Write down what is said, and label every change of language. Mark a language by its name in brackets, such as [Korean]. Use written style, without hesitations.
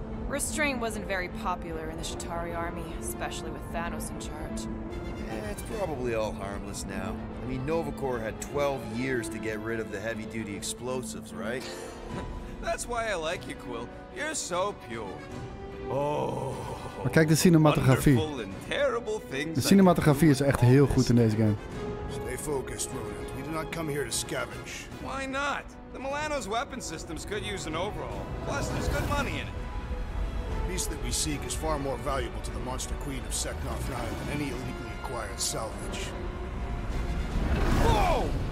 [English] Restraint wasn't very popular in the Chitauri army, especially with Thanos in charge. Yeah, it's probably all harmless now. I mean, Novacore had 12 years to get rid of the heavy-duty explosives, right? That's why I like you, Quill. You're so pure. [Dutch] Maar kijk de cinematografie. De cinematografie is echt heel goed in deze game. [English] Stay focused, Roland. We do not come here to scavenge. Why not? The Milano's weapon systems could use an overhaul. Plus, there's good money in it. The piece that we seek is far more valuable to the Monster Queen of Seknoth 9 than any illegally acquired salvage. Whoa!